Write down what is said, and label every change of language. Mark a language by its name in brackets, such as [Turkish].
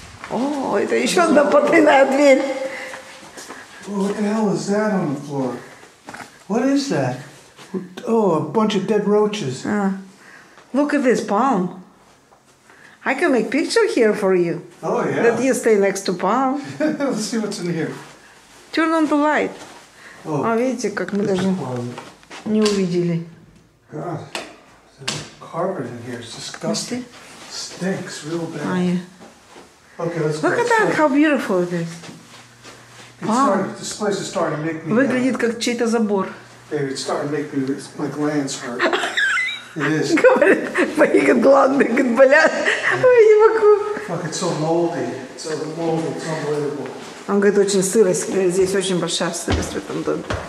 [Russian] О, это еще одна потайная дверь. [English] Well, what the hell is that on the floor? What is that? Oh, a bunch of dead roaches. Look at this palm. I can make picture here for you. Oh, yeah. That you stay next to palm. Let's see what's in here. Turn on the light. Oh, [Russian] видите, как мы даже не увидели. [English] God, there's carpet in here. It's disgusting. It stinks real bad. Oh, yeah. Okay, let's look go. Look at that, how beautiful it is. Palm. This place is starting to make me [Russian] выглядит [English] mad. [Russian] Как чей-то забор. [English] Baby, it's starting to make me, it's, my glands hurt. It is. [Russian] Говорит, мои гланды болят. Ой, я не могу. [English] Fuck, it's so moldy. It's so moldy. It's unbelievable. [Russian] Он говорит, очень сырость. Здесь очень большая сырость в этом доме.